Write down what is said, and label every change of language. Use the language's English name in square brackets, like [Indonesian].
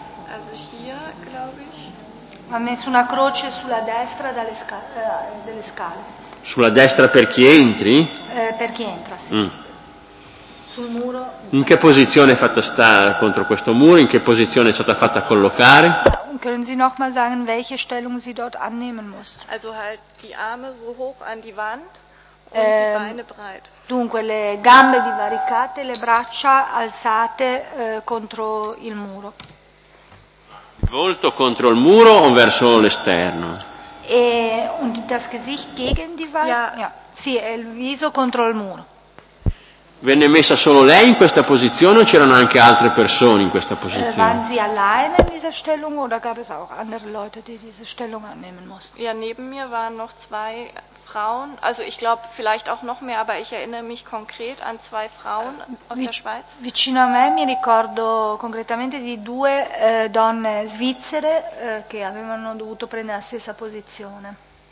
[Italian] Ha messo una croce sulla destra dalle delle scale. Sulla destra per chi entri? Per chi entra, sì. Mm. Sul muro. In che posizione è fatta stare contro questo muro? In che posizione è stata fatta collocare? [German] Können Sie noch mal sagen, welche Stellung Sie dort annehmen mussten? Also halt die Arme so hoch an die Wand und die Beine breit. [Italian] Dunque le gambe divaricate, le braccia alzate contro il muro. Il volto contro il muro o verso l'esterno? [German] E und das Gesicht gegen die Wand? Ja. [Italian] Sì, il viso contro il muro. Venne messa solo lei in questa posizione o c'erano anche altre persone in questa posizione? [German] Waren Sie allein in dieser Stellung oder gab es auch andere Leute, die diese Stellung annehmen mussten? Ja, neben mir waren noch zwei Frauen, also ich glaube vielleicht auch noch mehr, aber ich erinnere mich konkret an zwei Frauen aus der Schweiz. [Italian] Vicino a me mi ricordo concretamente di due donne svizzere che avevano dovuto prendere la stessa posizione.